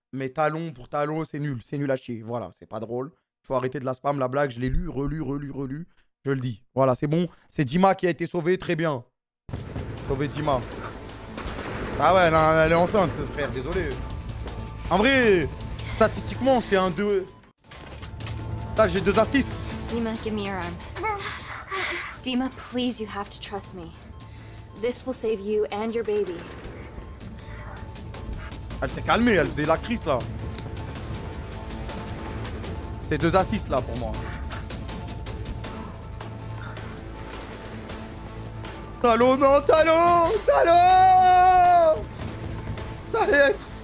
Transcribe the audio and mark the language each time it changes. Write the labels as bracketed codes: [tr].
[fr] Mais talon pour talon, c'est nul. C'est nul à chier. Voilà, c'est pas drôle. Il faut arrêter de la spam, la blague. Je l'ai lu, relu. Je le dis. Voilà, c'est bon. C'est Dima qui a été sauvé. Très bien. Sauvé Dima. Ah ouais, non, elle est enceinte, frère. Désolé. En vrai... Statistiquement, c'est un 2. Là, j'ai 2 assists. [en] Dima, give me your arm. Dima, please, you have to trust me. This will save you and your baby. [fr] Elle s'est calmée, elle faisait l'actrice là. C'est 2 assists là pour moi. Talon, non, talon, talon. Ça y est.